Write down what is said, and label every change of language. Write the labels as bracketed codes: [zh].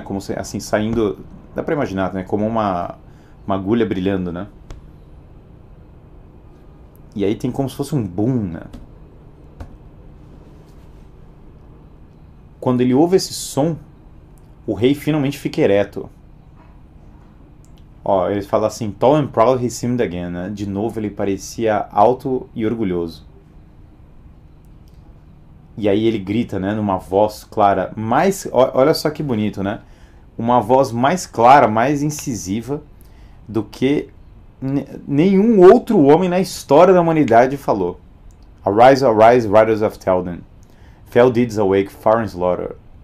[pt] Como se, assim saindo, dá para imaginar, né? Como uma agulha brilhando, né? E aí tem como se fosse um boom, né? Quando ele ouve esse som, o rei finalmente fica ereto. Ó, ele fala assim, [en] Tall and proud he seemed again, [pt] né? De novo ele parecia alto e orgulhoso. E aí ele grita, né? Numa voz clara, olha só que bonito, né? Uma voz mais clara, mais incisiva do que nenhum outro homem na história da humanidade falou. [en] Arise, arise, riders of Théoden. Fell deeds awake, far and slaughter.